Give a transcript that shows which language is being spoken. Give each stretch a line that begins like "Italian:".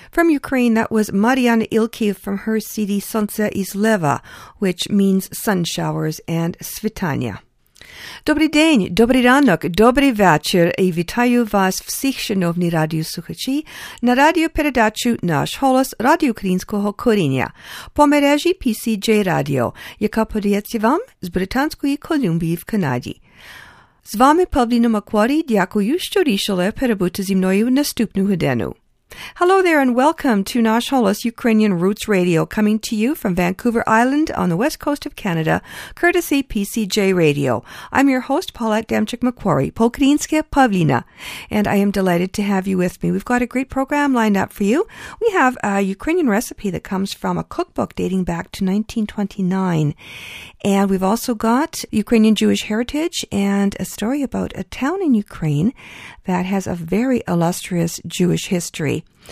English: Ukraine, that was Mariana Ilkiev from her CD Sonce I Zleva, which means sun showers, and Svitania.
Ukrainian: Dobrý день, добрий ранок, добрий вечір і вітаю вас всіх, шановні радіослухачі, на радіопередачу «Наш голос» Радіо Українського коріння по мережі PCJ Radio, яка подається вам з Британської Колумбії в Канаді. З вами Павліна Макварі, дякую, що рішили перебути зі мною наступну годину.
English: Hello there and welcome to Nash Holos Ukrainian Roots Radio, coming to you from Vancouver Island on the west coast of Canada, courtesy PCJ Radio. I'm your host, Paulette Demchik-McQuarrie, Pokrinske Pavlina, and I am delighted to have you with me. We've got a great program lined up for you. We have a Ukrainian recipe that comes from a cookbook dating back to 1929, and we've also got Ukrainian Jewish heritage and a story about a town in Ukraine that has a very illustrious Jewish history.